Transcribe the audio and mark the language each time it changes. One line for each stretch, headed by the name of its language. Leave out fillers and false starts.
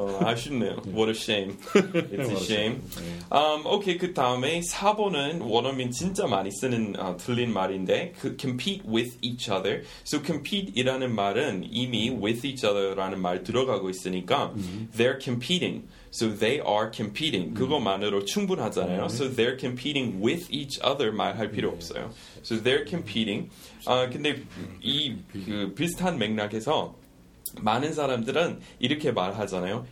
Korean: 아쉽네요.
English: What a shame. It's a shame. Okay,
Korean: 그 다음에 4번은 원어민 진짜 많이 쓰는 틀린 말인데 그
English: compete with each other.
Korean: So compete이라는 말은 이미 with each other라는 말 들어가고 있으니까
English: they're competing. So they are competing.
Korean: 그것만으로 충분하잖아요.
English: So they're competing with each other
Korean: 말할 필요 없어요.
English: So they're competing.
Korean: 근데 이 그 비슷한 맥락에서 많은 사람들은 이렇게 말하잖아요.